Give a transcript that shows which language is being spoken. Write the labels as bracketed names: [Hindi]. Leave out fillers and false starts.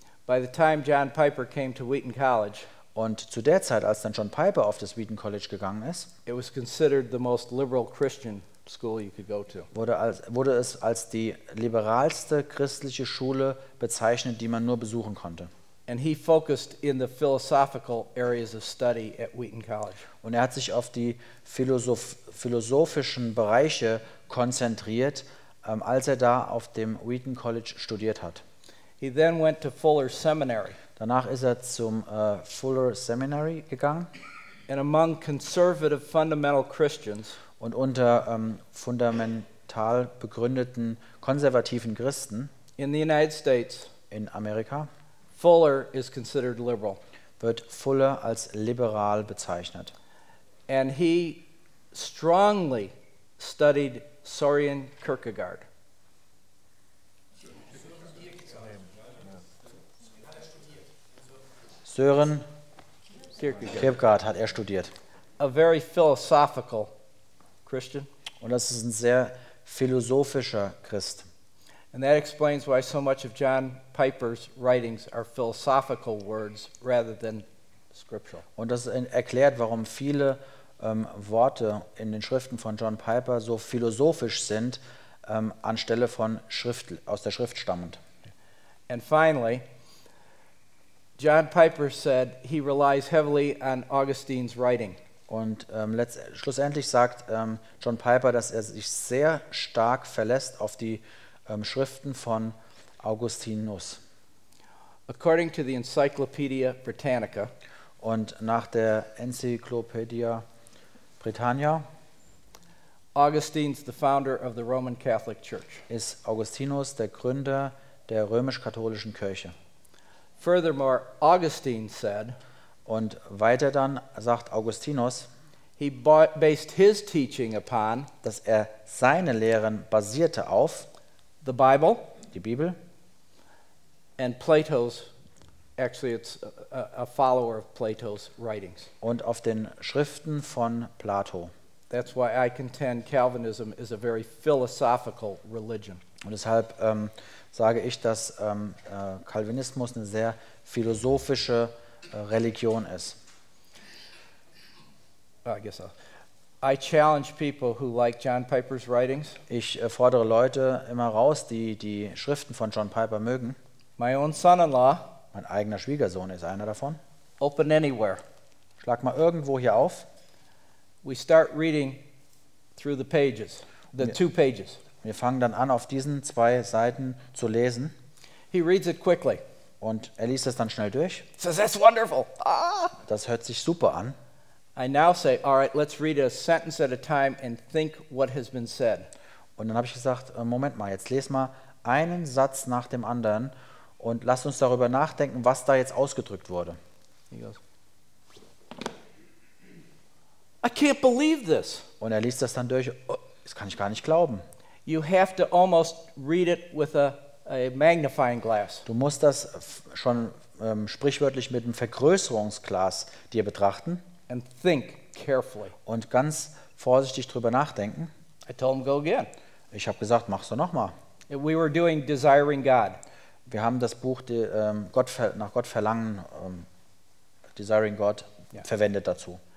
[English] By the time John Piper came to Wheaton College, [German] und zu der Zeit, als dann John Piper auf das Wheaton College gegangen ist, [English] it was considered the most liberal Christian school you could go to. [German] Wurde es als die liberalste christliche Schule bezeichnet, die man nur besuchen konnte. [English] And he focused in the philosophical areas of study at Wheaton College. [German] Und er hat sich auf die philosophischen Bereiche konzentriert, als er da auf dem Wheaton College studiert hat. [English] He then went to Fuller Seminary. [German] Danach ist zum Fuller Seminary gegangen. [English] And among conservative fundamental Christians, [German] und unter fundamental begründeten konservativen Christen [English] in the United States, [German] in Amerika, [English] Fuller is considered liberal. [German] Wird Fuller als liberal bezeichnet. [English] And he strongly studied Soren Kierkegaard. [German] Søren Kierkegaard hat er studiert. [English] A very philosophical Christian. [German] Und das ist ein sehr philosophischer Christ. [English] And that explains why so much of John Piper's writings are philosophical words rather than scriptural. [German] Und das erklärt, warum viele Worte in den Schriften von John Piper so philosophisch sind, anstelle von Schrift, aus der Schrift stammend. [English] And finally, John Piper said he relies heavily on Augustine's writing. [German] Und schlussendlich sagt John Piper, dass er sich sehr stark verlässt auf die Schriften von Augustinus. [English] According to the Encyclopedia Britannica, [German] und nach der Encyclopedia Britannia, [English] Augustine's the founder of the Roman Catholic Church. [German] Ist Augustinus der Gründer der römisch-katholischen Kirche. [English] Furthermore, Augustine said, [German] und weiter dann sagt Augustinus, [English] he based his teaching upon, [German] dass er seine Lehren basierte auf [English] the Bible, [German] die Bibel, [English] and Plato's, actually it's a follower of Plato's writings, [German] und auf den Schriften von Plato. [English] That's why I contend Calvinism is a very philosophical religion. [German] Und deshalb sage ich, dass Calvinismus eine sehr philosophische Religion ist. [English] I guess so. I challenge people who like John Piper's writings. [German] Ich fordere Leute immer raus, die Schriften von John Piper mögen. [English] My own son-in-law. [German] Mein eigener Schwiegersohn ist einer davon. [English] Open anywhere. [German] Schlag mal irgendwo hier auf. [English] We start reading through the pages, the two pages. [German] Wir fangen dann an, auf diesen zwei Seiten zu lesen. [English] He reads it quickly. [German] Und er liest es dann schnell durch. [English] Says, that's wonderful. Ah! [German] Das hört sich super an. [English] I now say, all right, let's read a sentence at a time and think what has been said. [German] Und dann habe ich gesagt, Moment mal, jetzt lese mal einen Satz nach dem anderen und lass uns darüber nachdenken, was da jetzt ausgedrückt wurde. [English] He goes, I can't believe this. [German] Und er liest das dann durch. Oh, das kann ich gar nicht glauben. [English] You have to almost read it with a magnifying glass. [German] Du musst das schon sprichwörtlich mit einem Vergrößerungsglas dir betrachten. [English] And think carefully. [German] Und ganz vorsichtig drüber nachdenken. [English] I told him, go again. [German] Ich habe gesagt, mach's doch nochmal. [English] We were doing Desiring God. [German] Wir haben das Buch nach Gott verlangen, Desiring God, verwendet dazu.